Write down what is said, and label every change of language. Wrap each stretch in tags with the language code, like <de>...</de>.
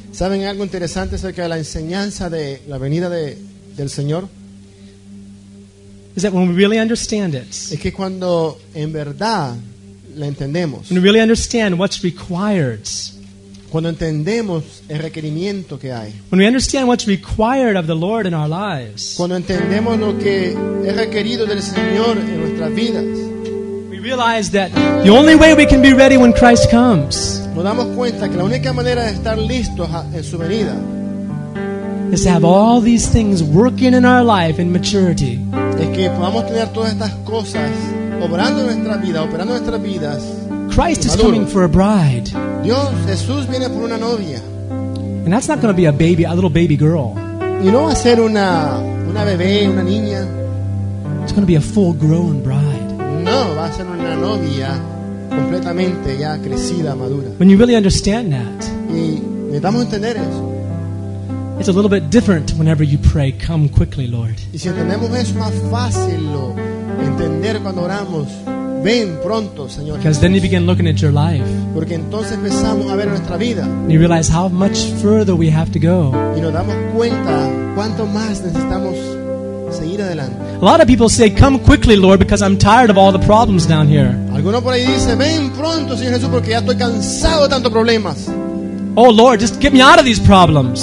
<es>¿Saben algo interesante acerca de la enseñanza de la venida del Señor?</es> <en>Is that when we really understand it?</en> <es>Es que cuando en verdad la entendemos.</es> <en>When we really understand what's required.</en> <es>Cuando entendemos el requerimiento que hay.</es> <en>When we understand what's required of the Lord in our lives.</en> <es>Cuando entendemos lo que es requerido del Señor en nuestras vidas.</es> <en>We realize that the only way we can be ready when Christ comes.</en> <es>Nos damos cuenta que la única manera de estar listos en su venida.</es> <en>Is to have all these things working in our life in maturity.</en> <es>Es que podamos tener todas estas cosas obrando nuestra vida, operando nuestras vidas.</es> <en>Christ is coming for a bride.</en> <es>Dios, Jesús viene por una novia.</es> <en>And that's not going to be a baby, a little baby girl.</en> <es>Y no va a ser una bebé, una niña.</es> <en>It's going to be a full-grown bride.</en> <es>No, va a ser una novia completamente ya crecida, madura.</es> <en>When you really understand that.</en> <es>Y necesitamos entender eso.</es> <en>It's a little bit different whenever you pray, "Come quickly, Lord."</en> <es>Y si entendemos eso, es más fácil lo entender cuando oramos. Ven pronto, Señor.</es> <en>Because then you begin looking at your life.</en> <es>Porque entonces empezamos a ver nuestra vida.</es> <en>You realize how much further we have to go.</en> <es>Y nos damos cuenta cuánto más necesitamos seguir adelante.</es> <en>A lot of people say, "Come quickly, Lord," because I'm tired of all the problems down here.</en> <es>Alguno por ahí dice, "Ven pronto, Señor Jesús, porque ya estoy cansado de tantos problemas."</es> <en>Oh Lord, just get me out of these problems.</en>